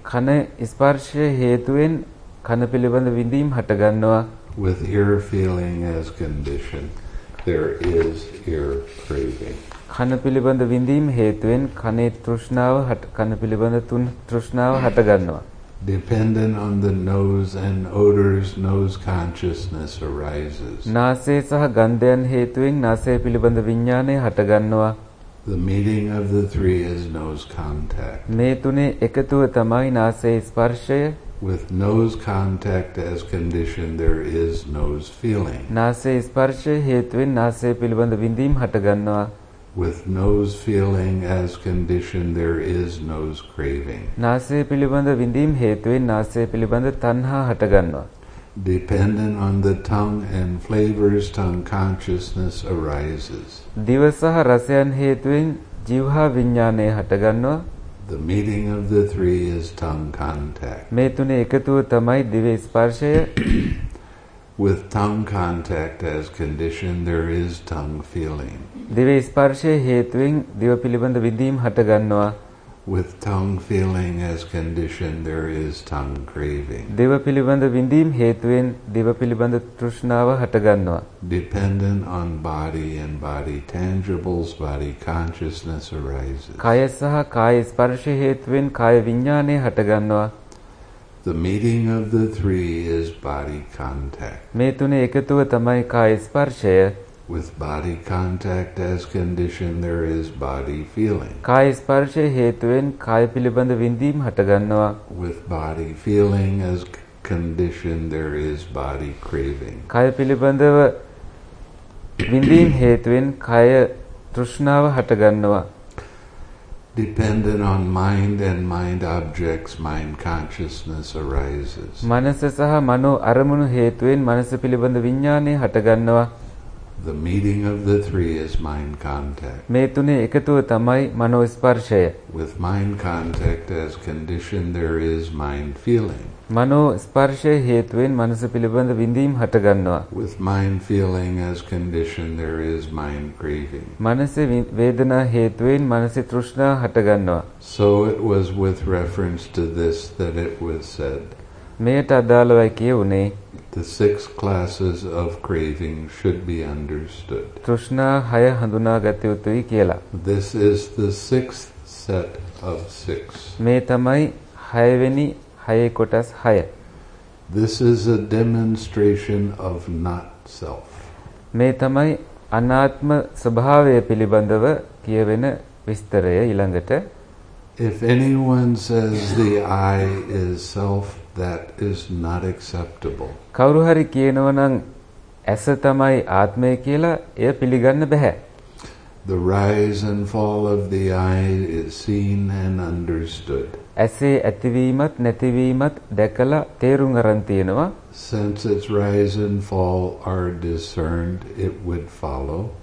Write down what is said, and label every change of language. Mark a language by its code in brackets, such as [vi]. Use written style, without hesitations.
[si] කන ස්පර්ශය හේතුවෙන් කන පිළිබඳ විඳීම් හටගන්නවා. [en] With ear feeling as condition, there is ear craving. [si] කන පිළිබඳ විඳීම් හේතුවෙන් කනේ තෘෂ්ණාව කන පිළිබඳ තෘෂ්ණාව හටගන්නවා. [en] Dependent on the nose and odors, nose consciousness arises. [si] නාසය සහ ගන්ධයන් හේතුවෙන් නාසය පිළිබඳ විඥානය හටගන්නවා. [en] The meeting of the three is nose contact. [si] මේ තුනේ එකතුව තමයි නාසයේ ස්පර්ශය. [en] With nose contact as condition, there is nose feeling. [si] නාසයේ ස්පර්ශය හේතුවෙන් නාසය පිළිබඳ විඳීම් හටගන්නවා. [en] With nose feeling as condition, there is nose craving. [si] නාසය පිළිබඳ විඳීම් හේතුවෙන් නාසය පිළිබඳ තණ්හා හටගන්නවා. [en] Dependent on the tongue and flavors, tongue consciousness arises. [si] දිව සහ රසයන් හේතුවෙන් ජීවහා විඥානය හටගන්නවා. [en] The meeting of the three is tongue contact. [si] මේ තුනේ එකතුව තමයි දිවේ ස්පර්ශය. [en] With tongue contact as condition, there is tongue feeling. [si] දිව ස්පර්ශය හේතුවෙන් දිව පිළිබඳ විඳීම් හටගන්නවා. [en] With tongue feeling as condition, there is tongue craving. [si] දිව පිළිබඳ විඳීම් හේතුවෙන් දිව පිළිබඳ තෘෂ්ණාව හටගන්නවා. [en] Dependent on body and body tangibles, body consciousness arises. [si] කය සහ කාය ස්පර්ශය හේතුවෙන් කාය විඥානය හටගන්නවා. [en] The meeting of the three is body contact. [si] මේ තුනේ එකතුව තමයි කාය ස්පර්ශය. [en] With body contact as condition, there is body feeling. [si] කාය ස්පර්ශය හේතුවෙන් කාය පිළිබඳ විඳීම් හටගන්නවා. [en] With body feeling as condition, there is body craving. [si] කාය පිළිබඳ විඳීම් හේතුවෙන් කාය තෘෂ්ණාව හටගන්නවා. [en] Dependent on mind and mind objects, mind consciousness arises. [si] මනස සහ මනෝ අරමුණු හේතුවෙන් මනස පිළිබඳ විඥානය හටගන්නවා. [en] The meeting of the three is mind contact. [si] මේ තුනේ එකතුව තමයි මනෝ ස්පර්ශය. [en] With mind contact as condition, there is mind feeling. [si] මනෝ ස්පර්ශය හේතුවෙන් මනස පිළිබඳ විඳීම් හටගන්නවා. [en] With mind feeling as condition, there is mind craving. [si] මනසේ වේදනා හේතුවෙන් මනසේ තෘෂ්ණා හටගන්නවා. [en] So it was with reference to this that it was said. [si] මෙයට අදාළවයි කියුනේ. [en] The six classes of craving should be understood. [si] තෘෂ්ණා හය හඳුනාගත යුතුයි කියලා. [en] This is the sixth set of six. [si] මේ තමයි හයවෙනි හයේ කොටස් හය. [en] This is a demonstration of not self. [si] මේ තමයි අනාත්ම ස්වභාවය පිළිබඳව කියවෙන විස්තරය ඊළඟට. [en] If anyone says the I is self, that is not acceptable. [si] කවුරු හරි කියනවා නම් ඇස තමයි ආත්මය කියලා එය පිළිගන්න බෑ. [en] The rise and fall of the eye is seen and understood. [si] ඇසේ ඇතිවීමත් නැතිවීමත් දැකලා තේරුම් ගන්න තියෙනවා. [en] Since its rise and fall are discerned, it would follow.